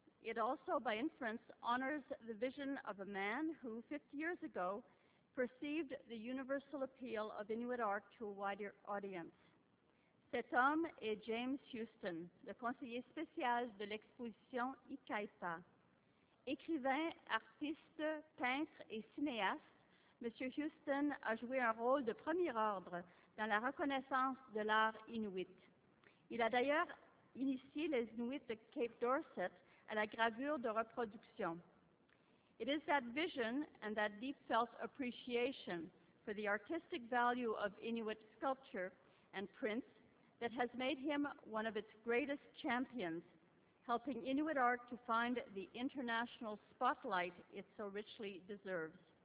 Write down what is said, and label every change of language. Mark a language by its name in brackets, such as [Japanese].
[English] It also, by inference, honors the vision of a man who, 50 years ago, perceived the universal appeal of Inuit art to a wider audience. [French] Cet homme est James Houston, le conseiller spécial de l'exposition Ikaipa. Écrivain, artiste, peintre et cinéaste, Monsieur Houston a joué un rôle de premier ordre dans la reconnaissance de l'art inuit. Il a d'ailleurs initié les Inuits de Cape Dorset à la gravure de reproduction. [English] It is that vision and that deep felt appreciation for the artistic value of Inuit sculpture and prints that has made him one of its greatest champions, helping Inuit art to find the international spotlight it so richly deserves.